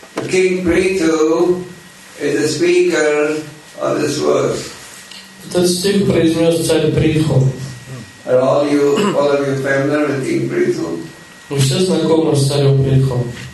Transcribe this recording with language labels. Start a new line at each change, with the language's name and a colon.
English: King Prithu is the speaker of this verse.
Russian: Этот стих произнес царь Притху.
English: Are all you, all of you familiar with King Prithu?
Russian: Вы все знакомы с царем Притху.